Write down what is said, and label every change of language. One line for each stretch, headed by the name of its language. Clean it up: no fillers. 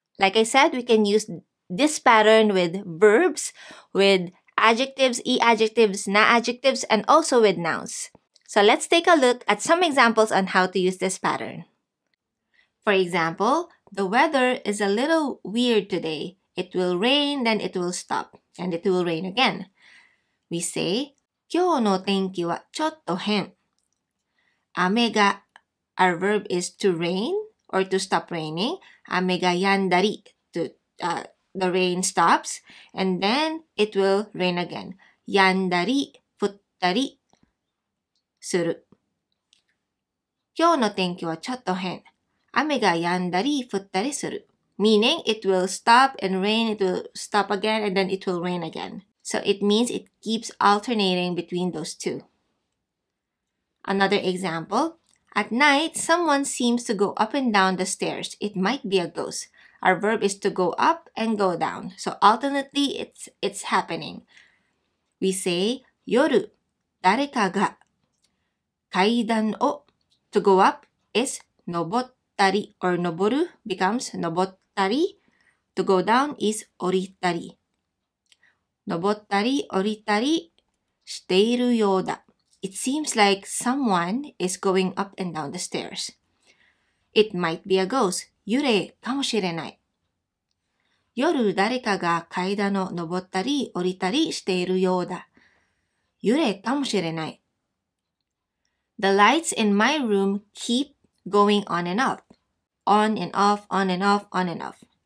English: Like I said, we can use this pattern with verbs, with adjectives, e-adjectives, na-adjectives, and also with nouns. So let's take a look at some examples on how to use this pattern. For example, the weather is a little weird today. It will rain, then it will stop. And it will rain again. We say,
Japanese: 今日の天気はちょっと変。雨が、
English: our verb is to rain or to stop raining.
Japanese: 雨が止んだり、
English: the rain stops. And then it will rain again.
Japanese: 止んだり、降ったりする。今日の天気はちょっと変。雨が止んだり、降ったりする。
English: Meaning, it will stop and rain, it will stop again, and then it will rain again. So it means it keeps alternating between those two. Another example, at night, someone seems to go up and down the stairs. It might be a ghost. Our verb is to go up and go down. So alternately, it's happening. We say,
Japanese: 夜、誰かが階段を
English: To go up is
Japanese: 上ったり
English: or
Japanese: 上る
English: becomes 上ったり。 To go down is
Japanese: 降りたり。登ったり降りたりしているようだ。
English: It seems like someone is going up and down the stairs. It might be a ghost.
Japanese: 幽霊かもしれない。夜誰かが階段を登ったり降りたりしているようだ。幽霊かもしれない。
English: The lights in my room keep going on and off. On and off, on and off, on and off.